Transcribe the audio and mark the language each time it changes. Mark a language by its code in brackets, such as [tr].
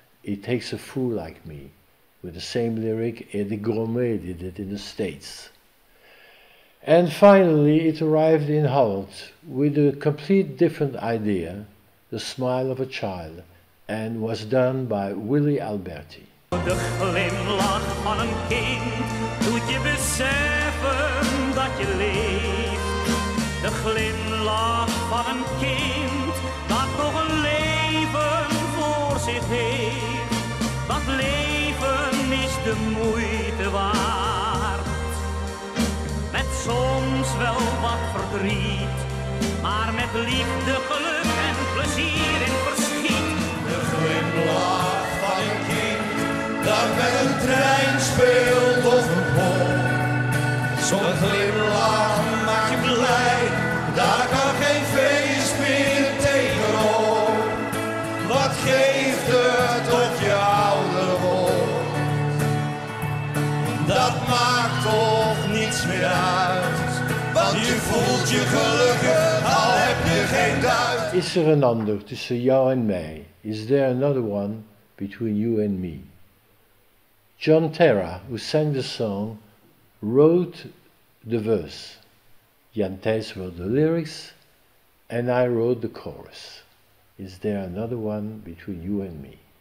[en] It Takes a Fool Like Me, with the same lyric Eddie Gromet did it in the States. And finally it arrived in Holland with a complete different idea, The Smile of a Child, and was done by Willy Alberti. [nl] De glimlach van een kind doet je beseffen dat je leeft. De glimlach van een kind dat nog een leven voor zich heeft. Dat leven is de moeite waard. Met soms wel wat verdriet, maar met liefde, geluk en plezier in verschiet. De glimlach van een kind dat met een trein speelt of een pop. Zo'n glimlach maakt je blij, daar kan geen feest meer tegenop. Wat geeft het tot je ouder wordt? Dat maakt toch niets meer uit, want je voelt je gelukkig, al heb je geen duit. Is er een ander tussen jou en mij? [en] Is there another one between you and me? John Terra, who sang the song, wrote the verse. Jan Thijs wrote the lyrics and I wrote the chorus. Is there another one between you and me?